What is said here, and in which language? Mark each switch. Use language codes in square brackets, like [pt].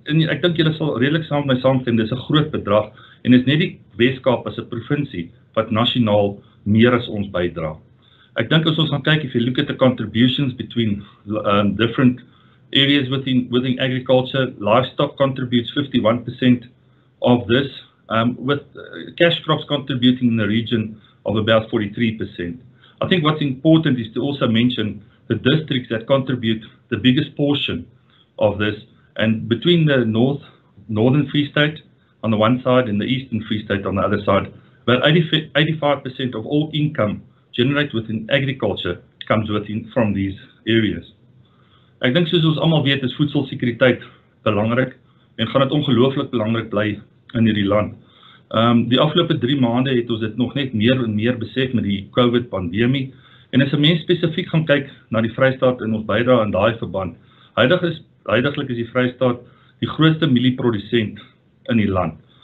[af] Ek dink julle sal redelik saam met my saamstem, dis 'n groot bedrag, en is net die Wes-Kaap as 'n provinsie wat nasionaal meer as ons bydra. Ek dink as ons gaan kyk, [en] if you look at the contributions between different areas within agriculture, livestock contributes 51% of this, with cash crops contributing in the region of about 43%. I think what's important is to also mention the districts that contribute the biggest portion of this, and between the northern Free State on the one side and the eastern Free State on the other side, where 85% of all income generate within agriculture comes within from these areas. [af] Ek dink soos ons almal weet, is voedselsekuriteit belangrik en gaan dit ongelooflik belangrik bly in hierdie land. Die afgelope 3 maande het ons dit nog net meer en meer besef met die COVID-pandemie. En as 'n mens spesifiek gaan kyk na die Vrystaat en ons bydrae in daai verband, huidiglik is die Vrystaat die grootste mielieprodusent in die land.